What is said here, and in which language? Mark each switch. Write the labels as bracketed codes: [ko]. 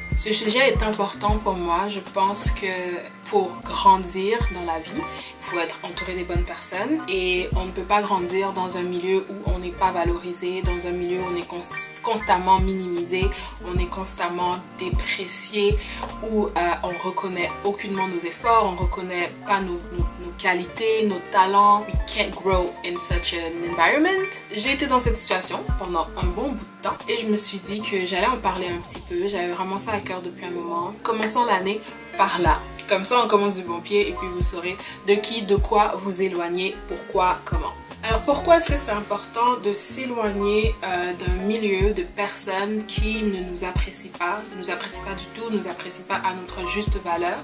[fr] Ce sujet est important pour moi. Je pense que pour grandir dans la vie, il faut être entouré des bonnes personnes. Et on ne peut pas grandir dans un milieu où on n'est pas valorisé, dans un milieu où on est constamment minimisé, où on est constamment déprécié, où on reconnaît aucunement nos efforts, on reconnaît pas nos qualités, nos talents. [en] We can't grow in such an environment. [fr] J'ai été dans cette situation pendant un bon bout de temps et je me suis dit que j'allais en parler un petit peu. J'avais vraiment ça à cœur depuis un moment. Commençons l'année par là. Comme ça, on commence du bon pied et puis vous saurez de qui, de quoi vous éloigner, pourquoi, comment. Alors, pourquoi est-ce que c'est important de s'éloigner d'un milieu de personnes qui ne nous apprécient pas, ne nous apprécient pas du tout, ne nous apprécient pas à notre juste valeur?